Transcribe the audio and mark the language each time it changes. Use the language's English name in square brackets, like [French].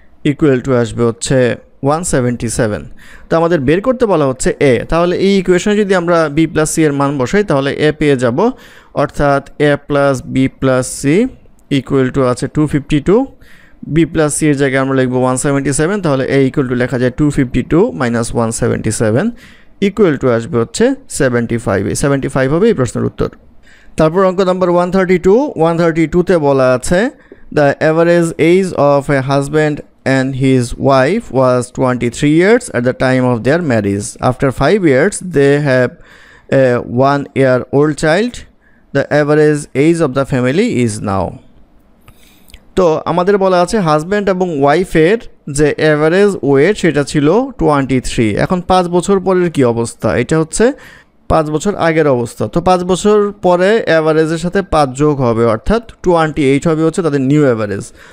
[Bangla] Equal to আসবে হচ্ছে 177। তো আমাদের বের করতে বলা হচ্ছে এ, তাহলে এই ইকুয়েশনে যদি আমরা বি প্লাস সি এর মান বসাই তাহলে এ পেয়ে যাব, অর্থাৎ এ plus B plus C equal to আছে 252, বি প্লাস সি এর জায়গায় আমরা লিখব 177, তাহলে এ ইকুয়াল টু লেখা যায় 252 মাইনাস 177 ইকুয়াল টু আসবে হচ্ছে 75। 75 হবে এই প্রশ্নের উত্তর। তারপর অঙ্ক নম্বর 132, 132তে বলা আছে [English] The average age of a husband and his wife was 23 years at the time of their marriage. After 5 years, they have a 1-year-old child. The average age of the family is now. [Bangla] তো আমাদের বলা আছে husband এবং ওয়াইফের যে average wait সেটা ছিল 23। এখন 5 বছর পরের কী অবস্থা? এটা হচ্ছে 5 বছর আগের অবস্থা। তো 5 বছর পরে অ্যাভারেজের সাথে 5 যোগ হবে, অর্থাৎ 28 হবে হচ্ছে তাদের নিউ অ্যাভারেজ।